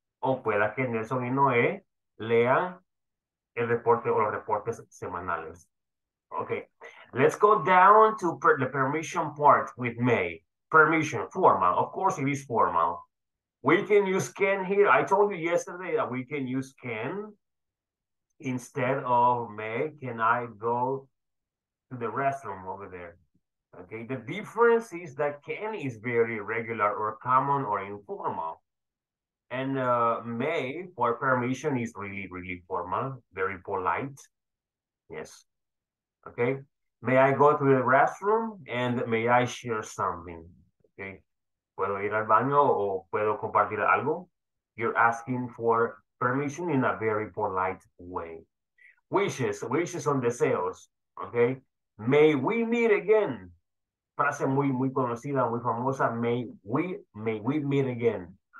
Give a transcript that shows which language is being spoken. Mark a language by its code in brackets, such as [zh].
[es] O pueda que Nelson y Noé lean el reporte o los reportes semanales. [en] Okay. Let's go down to the permission part with May. Permission, formal. Of course, it is formal. We can use can here. I told you yesterday that we can use can instead of may. Can I go to the restroom over there? Okay, the difference is that can is very regular or common or informal. And may for permission is really, really formal, very polite. Yes, okay. May I go to the restroom and may I share something? Okay. [es] ¿Puedo ir al baño o puedo compartir algo? [en] You're asking for permission in a very polite way. Wishes, wishes [es] son deseos, [en] okay? May we meet again. [es] Frase muy, muy conocida, muy famosa, [en] may we meet again.